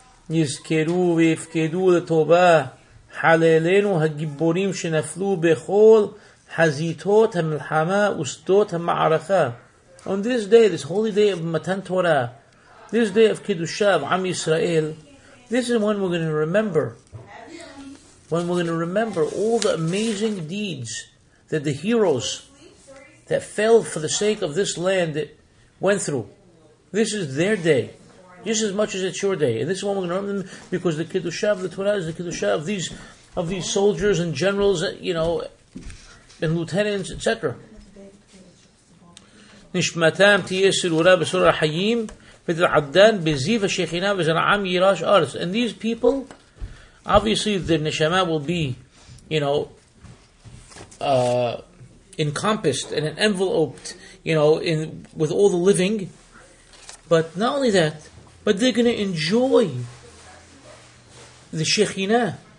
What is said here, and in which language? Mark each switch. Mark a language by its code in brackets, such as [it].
[he] נזכרו ויפקדו לטובה חללינו הגיבורים שנפלו בכל חזיתות המלחמה ושדות המערכה. [en] On this day, this holy day of Matan Torah, this day of Kiddusha of Am Yisrael, this is when we're going to remember. When we're going to remember all the amazing deeds that the heroes that fell for the sake of this land went through. This is their day, just as much as it's your day. And this is when we're going to remember them, because the Kiddusha of the Torah is the Kiddusha of these soldiers and generals, you know, and lieutenants, etc. [he] נשמתם תהיה סלולה בסור החיים ותרעדן בזיו השכינה וזרעם יירש ארץ. [en] And these people, obviously their neshama will be, you know, encompassed and enveloped, you know, in with all the living. But not only that, but they're going to enjoy the Shekhinah.